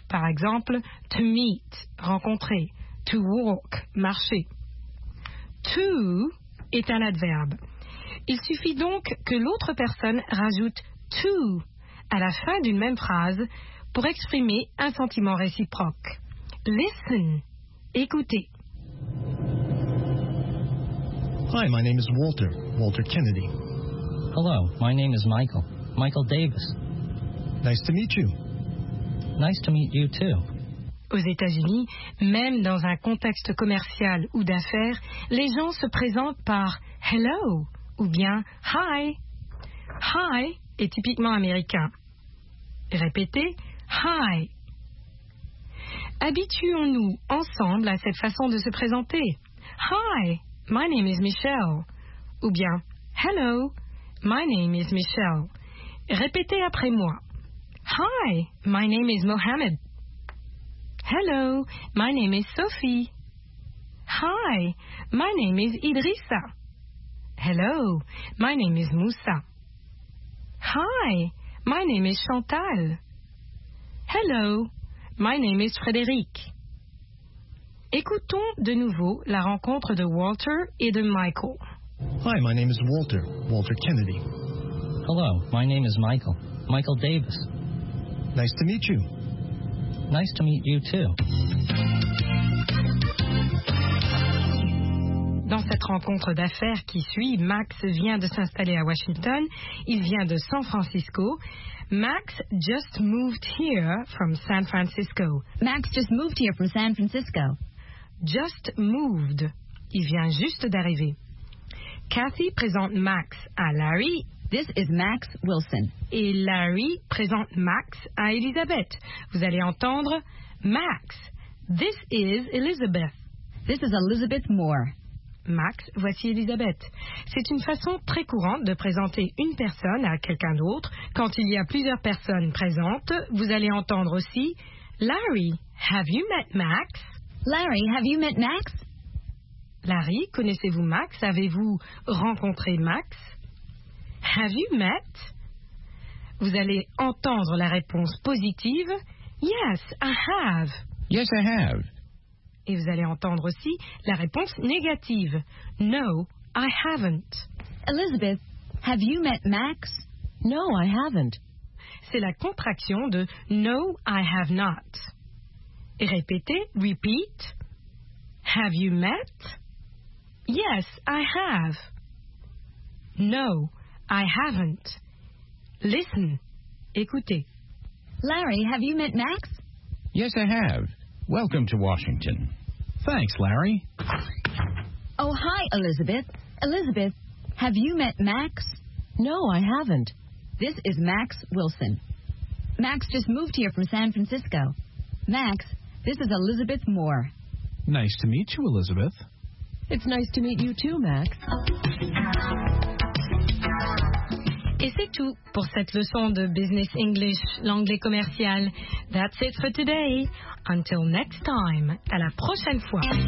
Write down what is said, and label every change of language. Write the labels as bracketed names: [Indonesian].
[French] Par exemple, [English] to meet, [French] rencontrer. [English] To walk, [French] marcher. To est un adverbe. Il suffit donc que l'autre personne rajoute to à la fin d'une même phrase pour exprimer un sentiment réciproque. [English] Listen, [French] écoutez. [English] Hi, my name is Walter, Walter Kennedy. Hello, my name is Michael, Michael Davis. Nice to meet you. Nice to meet you too. [French] Aux États-Unis, même dans un contexte commercial ou d'affaires, les gens se présentent par « hello » ou bien « hi ».« Hi » est typiquement américain. Répétez « hi ». Habituons-nous ensemble à cette façon de se présenter. [English] « Hi, my name is Michelle » [French] ou bien [English] « hello, my name is Michelle ». [French] Répétez après moi. [English] « Hi, my name is Mohammed ». Hello, my name is Sophie. Hi, my name is Idrissa. Hello, my name is Moussa. Hi, my name is Chantal. Hello, my name is Frédéric. [French] Écoutons de nouveau la rencontre de Walter et de Michael. Hi, my name is Walter, Walter Kennedy. Hello, my name is Michael, Michael Davis. Nice to meet you. Nice to meet you too. Dans cette rencontre d'affaires qui suit, Max vient de s'installer à Washington. Il vient de San Francisco. [English] Max just moved here from San Francisco. Max just moved here from San Francisco. Just moved. [French] Il vient juste d'arriver. Kathy présente Max à Larry. [English] This is Max Wilson. [French] Et Larry présente Max à Elizabeth. Vous allez entendre Max. [English] This is Elizabeth. This is Elizabeth Moore. [French] Max, voici Elisabeth. C'est une façon très courante de présenter une personne à quelqu'un d'autre. Quand il y a plusieurs personnes présentes, vous allez entendre aussi [English] Larry, have you met Max? Larry, have you met Max? [French] Larry, connaissez-vous Max? Avez-vous rencontré Max? [English] Have you met? [French] Vous allez entendre la réponse positive. [English] Yes, I have. Yes, I have. [French] Et vous allez entendre aussi la réponse négative. [English] No, I haven't. Elizabeth, have you met Max? No, I haven't. [French] C'est la contraction de [English] no, I have not. [French] Et répétez, [English] repeat. Have you met? Yes, I have. No, I haven't. Listen. [French] Écoutez. [English] Larry, have you met Max? Yes, I have. Welcome to Washington. Thanks, Larry. Oh, hi, Elizabeth. Elizabeth, have you met Max? No, I haven't. This is Max Wilson. Max just moved here from San Francisco. Max, this is Elizabeth Moore. Nice to meet you, Elizabeth. It's nice to meet you too, Max. [French] Et c'est tout pour cette leçon de Business English, l'anglais commercial. [English] That's it for today. Until next time, [French] à la prochaine fois.